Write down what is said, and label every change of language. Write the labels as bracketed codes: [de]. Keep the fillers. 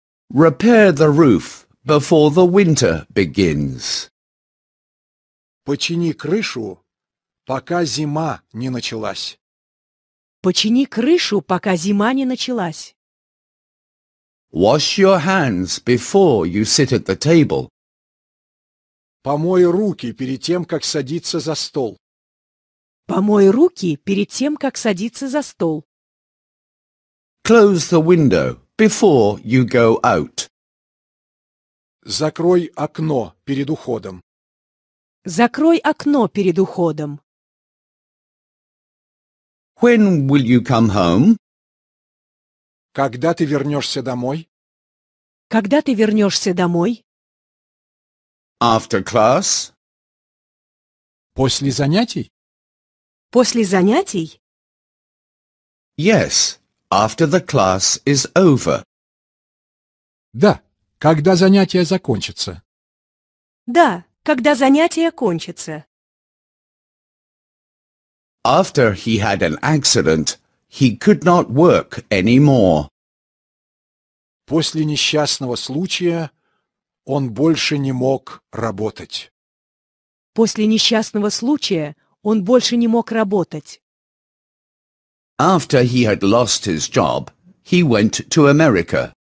[en] Repair the roof before the winter begins. [ru] Почини крышу, пока зима не началась. Почини крышу, пока зима не началась. [en] Wash your hands before you sit at the table. [ru] Помой руки перед тем, как садиться за стол. Помой руки перед тем, как садиться за стол. [en] Close the window before you go out. [ru] Закрой окно перед уходом. Закрой окно перед уходом. [en] When will you come home? [ru] Когда ты вернешься домой? Когда ты вернешься домой? [en] After class? [ru] После занятий? После занятий? [en] Yes, after the class is over. [ru] Да, когда занятия закончатся. Да, когда занятие кончится. [en] After he had an accident, he could not work anymore. [ru] После несчастного случая он больше не мог работать. После несчастного случая он больше не мог работать. [en] After he had lost his job, he went to America.